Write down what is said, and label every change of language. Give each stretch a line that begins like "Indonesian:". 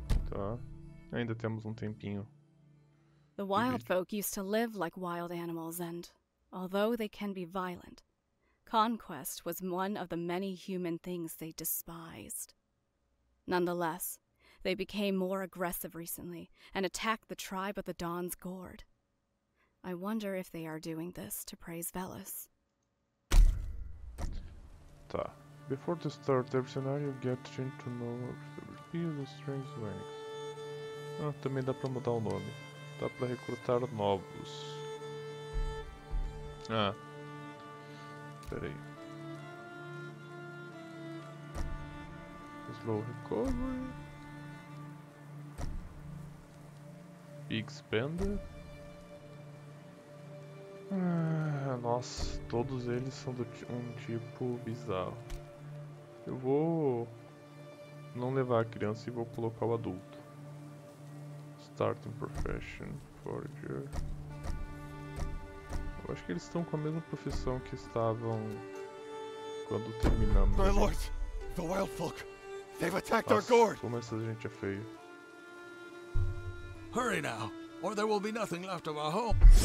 Portuguese: Tá, ainda temos tempinho.
English: The wild folk used to live like wild animals and, although they can be violent, conquest was one of the many human things they despised. Nonetheless, they became more aggressive recently and attacked the tribe of the Dawn's Gourd. I wonder if they are doing this to praise Velus.
Portuguese: Tá.
English: Before the start, every scenario gets to know the strange ranks.
Portuguese: Ah, também dá pra mudar o nome. Dá pra recrutar novos. Ah. Peraí.
English: Slow recovery. Big Spender.
Portuguese: Nossa, todos eles são de um tipo bizarro. Eu vou não levar a criança e vou colocar o adulto.
English: Starting profession, forager.
Portuguese: Eu acho que eles estão com a mesma profissão que estavam quando terminamos.
English: My lord, the wild folk, they've attacked our gourd.
Portuguese: Como essa gente é feia.
English: Hurry now, or there will be nothing left of our home.